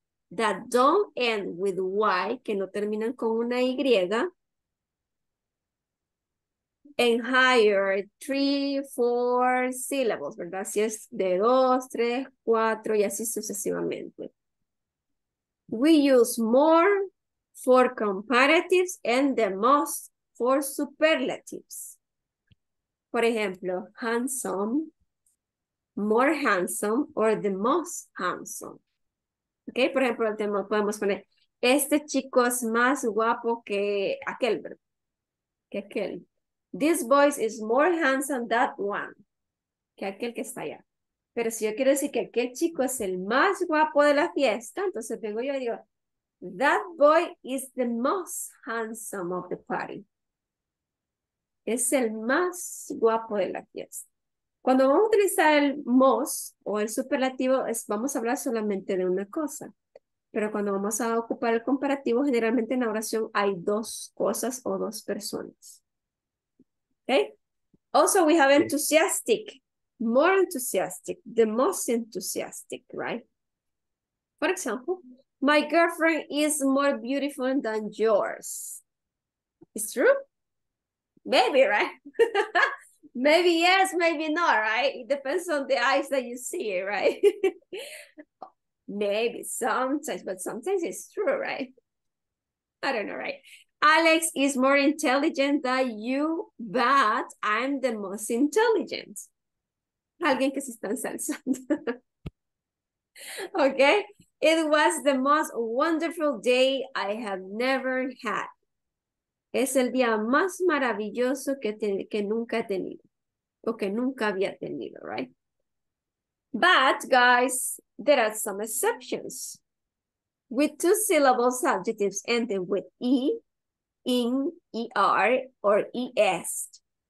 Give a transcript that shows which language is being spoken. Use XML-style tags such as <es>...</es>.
<en>That don't end with Y,</en> <es>que no terminan con una Y.</es> <en>And higher, three, four syllables, ¿verdad?</en> <es>Si es de dos, tres, cuatro, y así sucesivamente.</es> <en>We use more for comparatives and the most for superlatives.</en> <es>Por ejemplo,</es> <en>handsome, more handsome, or the most handsome.</en> <es>Okay, por ejemplo, podemos poner, este chico es más guapo que aquel, ¿verdad? Que aquel.</es> <en>This boy is more handsome than that one.</en> <es>Que aquel que está allá. Pero si yo quiero decir que aquel chico es el más guapo de la fiesta, entonces vengo yo y digo,</es> <en>that boy is the most handsome of the party.</en> <es>Es el más guapo de la fiesta. Cuando vamos a utilizar el most o el superlativo, vamos a hablar solamente de una cosa. Pero cuando vamos a ocupar el comparativo, generalmente en la oración hay dos cosas o dos personas.</es> <en>Okay? Also, we have enthusiastic, more enthusiastic, the most enthusiastic, right? For example, my girlfriend is more beautiful than yours. It's true? Maybe, right? Maybe yes, maybe no, right? It depends on the eyes that you see, right? Maybe sometimes, but sometimes it's true, right? I don't know, right? Alex is more intelligent than you, but I'm the most intelligent.</en> <es>Alguien que se está ensalzando. Okay?</es> <en>It was the most wonderful day I have never had.</en> <es>Es el día más maravilloso que nunca he tenido. O que nunca había tenido, right?</es> <en>But guys, there are some exceptions. With two syllable adjectives ending with E, in, ER, or EST.</en>